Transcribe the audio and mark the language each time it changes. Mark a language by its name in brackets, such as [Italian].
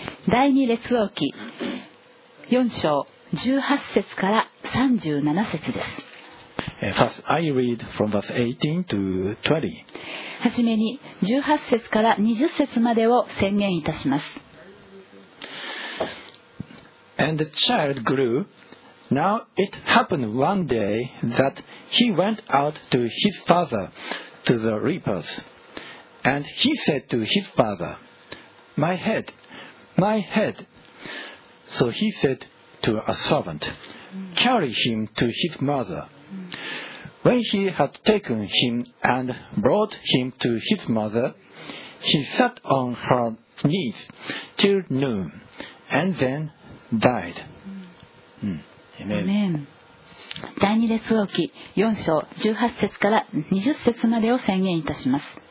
[Japanese] 第二列王記4章18節から37節です。 [English] First, I read from verse 18 to 20. [Japanese] はじめに18節から20節までを宣言いたします。 [English] And the child grew. Now it happened one day that he went out to his father to the reapers. And he said to his father, My head, my head. So he said to a servant, Carry him to his mother. When he had taken him and brought him to his mother, he sat on her knees till noon, and then died.、 Amen. [Japanese] 第二列王記4章18節から20節までを宣言いたします。